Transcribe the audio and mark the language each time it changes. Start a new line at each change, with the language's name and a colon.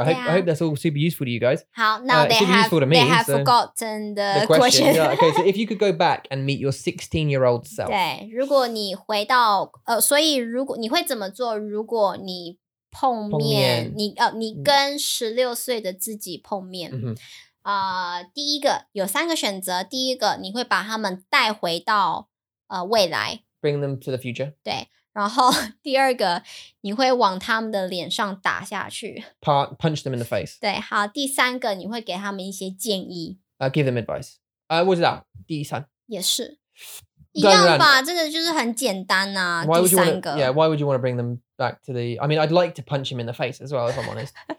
English: I hope that's all super useful to you guys. 好, now they have, to me, they have so forgotten the question. Yeah, okay, so if you could go back and meet your 16-year-old self.
Chinese: 对,如果你会怎么做,如果你跟16岁的自己碰面。第一个,有三个选择,第一个,你会把他们带回到未来。
English: Bring them to the future.
Chinese: 对,然后第二个,你会往他们的脸上打下去。
English: Punch them in the face.
Chinese: 对,好,第三个,你会给他们一些建议。
English: Give them advice.
Chinese: 我知道,第三。也是,一样吧,这个就是很简单啊, 第三个。
English: Why would you want to bring them back to the... I mean, I'd like to punch him in the face as well, if I'm honest.